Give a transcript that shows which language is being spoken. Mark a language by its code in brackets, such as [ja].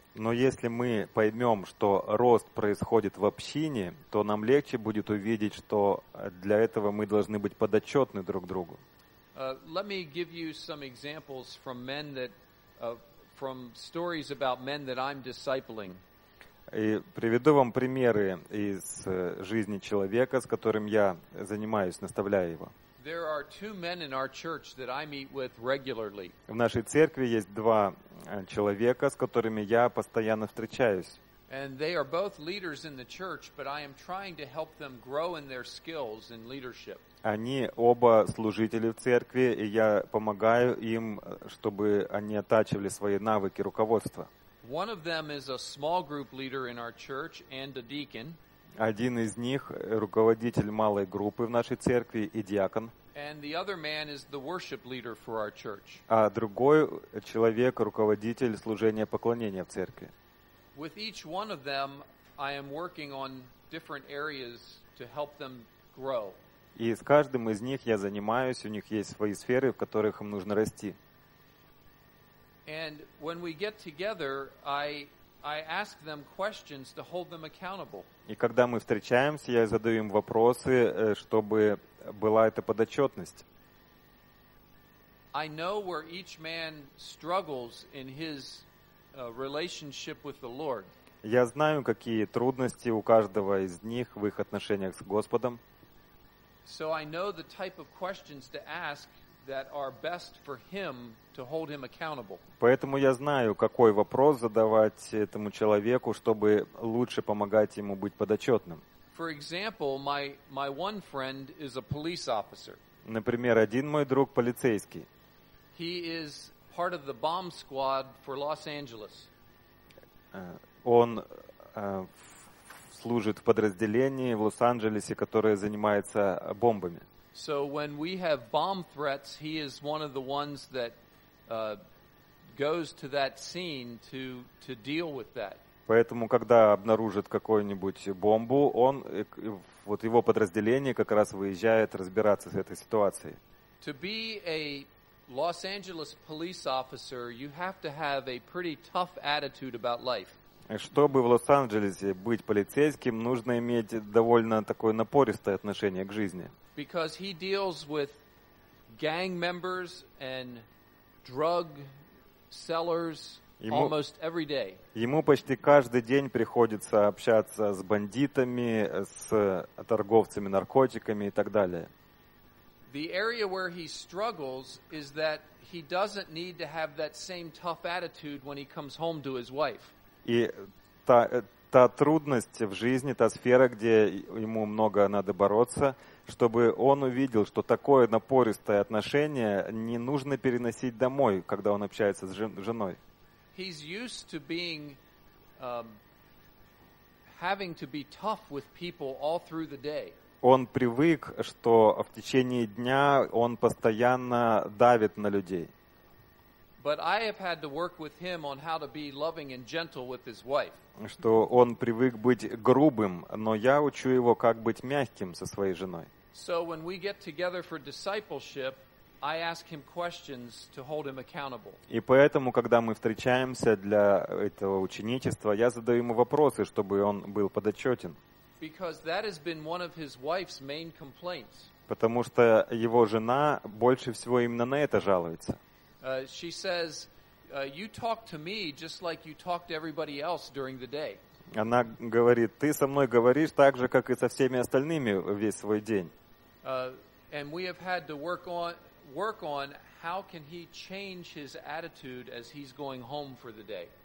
[ru] Но если мы поймем, что рост происходит в общине, то нам легче будет увидеть, что для этого мы должны быть подотчетны друг другу. [en] Let me give you some examples from men that from stories about men that I'm discipling. [ru] И приведу вам примеры из жизни человека, с которым я занимаюсь, наставляю его. [en] There are two men in our church that I meet with regularly. [ru] В нашей церкви есть два человека, с которыми я постоянно встречаюсь. [en] And they are both leaders in the church, but I am trying to help them grow in their skills in leadership. [ru] Они оба служители в церкви, и я помогаю им, чтобы они оттачивали свои навыки руководства. [en] One of them is a small group leader in our church and a deacon. [ru] Один из них руководитель малой группы в нашей церкви и диакон. [en] And the other man is the worship leader for our church. [ru] А другой человек руководитель служения поклонения в церкви. [en] With each one of them, I am working on different areas to help them grow. [ru] И с каждым из них я занимаюсь, у них есть свои сферы, в которых им нужно расти. [en] And when we get together, I ask them questions to hold them accountable. [ru] И когда мы встречаемся, я задаю им вопросы, чтобы была эта подотчетность. [en] I know where each man struggles in his relationship with the Lord. [ru] Я знаю, какие трудности у каждого из них в их отношениях с Господом. [en] So I know the type of questions to ask that are best for him to hold him accountable. [ru] Поэтому я знаю, какой вопрос задавать этому человеку, чтобы лучше помогать ему быть подотчетным. [en] For example, my one friend is a police officer. [ru] Например, один мой друг полицейский. [en] He is part of the bomb squad for Los Angeles. [ru] Он служит в подразделении в Лос-Анджелесе, которое занимается бомбами. [en] So when we have bomb threats, he is one of the ones that goes to that scene to deal with that. [ru] Поэтому, когда обнаружат какую-нибудь бомбу, он, вот его подразделение как раз выезжает разбираться с этой ситуацией. [en] To be a Los Angeles police officer, you have to have a pretty tough attitude about life. [ru] Чтобы в Лос-Анджелесе быть полицейским, нужно иметь довольно такое напористое отношение к жизни. [en] Because he deals with gang members and drug sellers almost every day. [ru] Ему почти каждый день приходится общаться с бандитами, с торговцами наркотиками и так далее. [en] The area where he struggles is that he doesn't need to have that same tough attitude when he comes home to his wife. [ru] И та трудность в жизни, та сфера, где ему много надо бороться, чтобы он увидел, что такое напористое отношение не нужно переносить домой, когда он общается с женой. [en] He's used to being having to be tough with people all through the day. [ru] Он привык, что в течение дня он постоянно давит на людей. [en] But I have had to work with him on how to be loving and gentle with his wife. [ru] Что он привык быть грубым, но я учу его, как быть мягким со своей женой. [en] So when we get together for discipleship, I ask him questions to hold him accountable. [ru] И поэтому, когда мы встречаемся для этого ученичества, я задаю ему вопросы, чтобы он был подотчетен. [en] Because that has been one of his wife's main complaints. [ru] Потому что его жена больше всего именно на это жалуется. [en] She says, "You talk to me just like you talk to everybody else during the day." [ru] Она говорит, ты со мной говоришь так же, как и со всеми остальными весь свой день. [en] And we have had to work on how can he change his attitude as he's going home for the day.